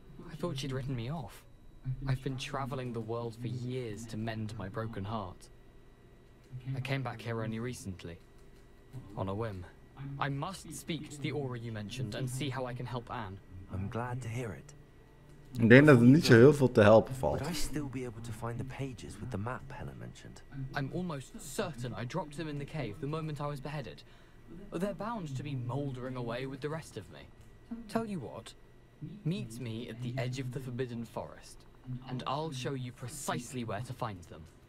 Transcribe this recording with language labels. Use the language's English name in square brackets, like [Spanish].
[English] I thought she'd written me off. I've been traveling the world for years to mend my broken heart. I came back here only recently. On a whim. I must speak to the aura you mentioned and see how I can help Anne. I'm glad to hear it. [Dutch] Ik denk dat het niet zo heel veel te helpen valt. [English] Would I still be able to find the pages with the map Helen mentioned? I'm almost certain I dropped them in the cave the moment I was beheaded. They're bound to be mouldering away with the rest of me. Tell you what, meet me at the edge of the Forbidden Forest, and I'll show you precisely where to find them.